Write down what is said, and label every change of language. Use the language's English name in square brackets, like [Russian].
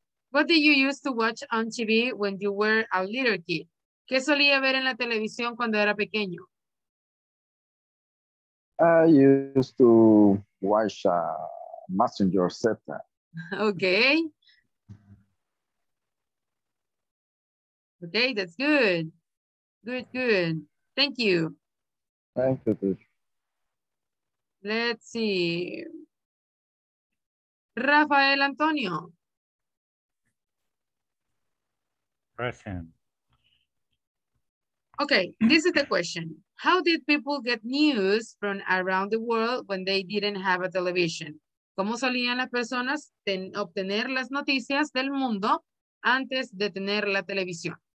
[English] What did you use to watch on TV when you were a little kid? [Spanish] ¿Qué solía ver en la televisión cuando era pequeño? [English] I used to watch Messenger Set. Okay. Okay, that's good. Good. Thank you. Thank you. Let's see. Rafael Antonio. Present. Okay, this is the question. How did people get news from around the world when they didn't have a television? [Spanish] ¿Cómo solían las personas obtener las noticias del mundo antes de tener la televisión?